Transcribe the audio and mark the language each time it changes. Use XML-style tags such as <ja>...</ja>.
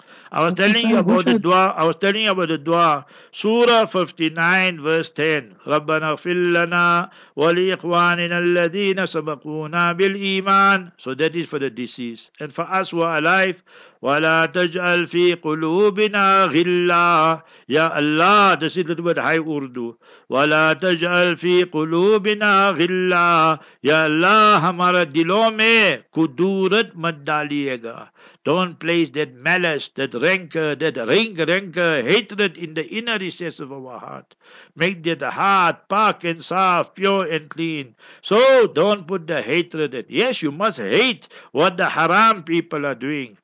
<en>I was telling you about the dua. I was telling you about the dua. Surah 59, verse 10.</en> <ar>رَبَّنَا اغْفِرْ لَنَا وَلِإِخْوَانِنَا الَّذِينَ سَبَقُونَا بِالْإِيمَانِ.</ar> <en>So that is for the deceased. And for us who are alive,</en> <ar>وَلَا تَجْعَلْ فِي قُلُوبِنَا غِلَّا</ar> <en>Ya Allah, this is the word high Urdu.</en> <ar>وَلَا تَجْعَلْ فِي قُلُوبِنَا غِلَّا</ar> <ur>Ya Allah, ہمارا دلوں میں قدورت مت ڈالیے گا.</ur> <en>Don't place that malice, that rancor, that rancor, hatred in the inner recess of our heart. Make that heart pak and saf, pure and clean. So don't put the hatred in. Yes, you must hate what the haram people are doing.</en>